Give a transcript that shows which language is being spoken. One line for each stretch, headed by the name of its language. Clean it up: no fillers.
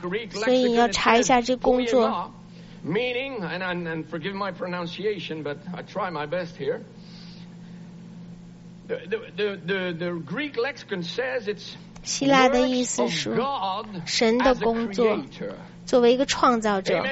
Chinese: 所以你要查一下这工作。
English: Meaning, and forgive my pronunciation, but I try my best here. The Greek lexicon says it's.
Chinese: 希腊的意思是神的工作，作为一个创造者。